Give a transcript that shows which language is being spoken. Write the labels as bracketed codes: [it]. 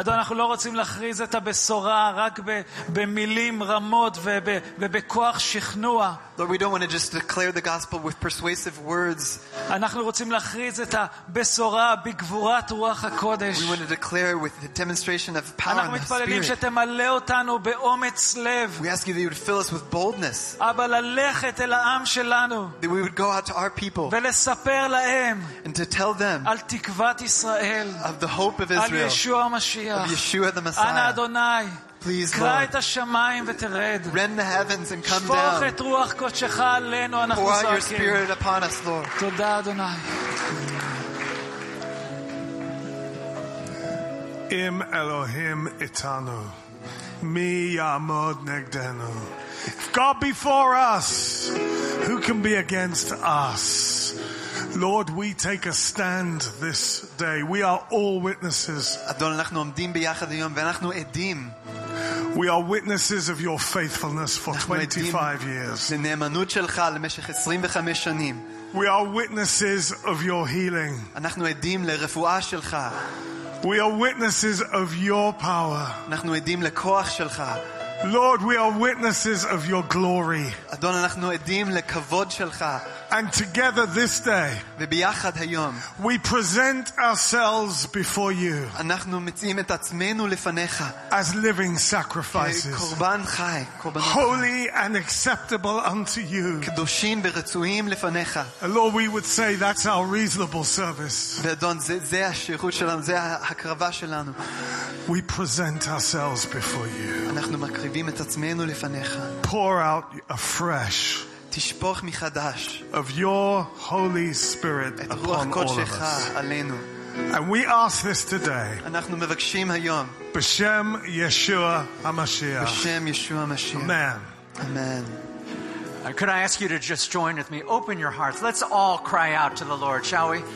[he] אדון, אנחנו לא רוצים להכריז את הבשורה רק במילים רמות ובכוח שכנוע. [en] Lord, we don't want to just declare the gospel with persuasive words. [he] אנחנו רוצים להכריז את הבשורה בגבורת רוח הקודש. [en] We want to declare with the demonstration of power. [he] אנחנו מתפללים שתמלא אותנו באומץ לב. [en] We ask you that you would fill us with boldness. [he] אבל ללכת אל העם שלנו. [en] That we would go out to our people. [he] ולספר להם. [en] And to tell them. [he] על תקוות ישראל. [en] Of the hope of Israel. [he] על ישוע המשיח. [en] Of Yeshua the Messiah. [he] אנא אדוני. [en] Please [he] קרא את השמיים ותרד. [en] Rend the heavens and come [he] שפוך [en] down. [he] שפוך את רוח קודשך עלינו, אנחנו [en] זועקים. Pour your spirit upon us, Lord. [he] תודה, אדוני. אם אלוהים איתנו, מי יעמוד נגדנו? [en] If God be for us, who can be against us? Lord, we take a stand this day. We are all witnesses. [he] אדון, אנחנו עומדים ביחד היום ואנחנו עדים. [en] We are witnesses of your faithfulness for 25 years. [he] לנאמנות שלך למשך 25 שנים. [en] We are witnesses of your healing. [he] אנחנו עדים לרפואה שלך. [en] We are witnesses of your power. [he] אנחנו עדים לכוח שלך. [en] Lord, we are witnesses of your glory. [he] אדון, אנחנו עדים לכבוד שלך. [en] And together this day, [he] וביחד היום, [en] we present ourselves before you. [he] אנחנו מציעים את עצמנו לפניך. [en] As living sacrifices. [he] קורבן חי, קורבן חי. [en] Holy and acceptable unto you. [he] קדושים ורצויים לפניך. [en] Lord, we would say that's our reasonable service. [he] ואדון, זה השירות שלנו, זה ההקרבה שלנו. [en] We present ourselves before you. [he] אנחנו מקריבים את עצמנו לפניך. [en] Pour out afresh. [he] תשפוך מחדש [en] of your holy spirit upon us. And we ask this today. [he] אנחנו מבקשים היום. בשם ישוע המשיח. בשם ישוע המשיח. [en] Amen. Amen. Could I ask you to just join with me? Open your hearts. Let's all cry out to the Lord, shall we?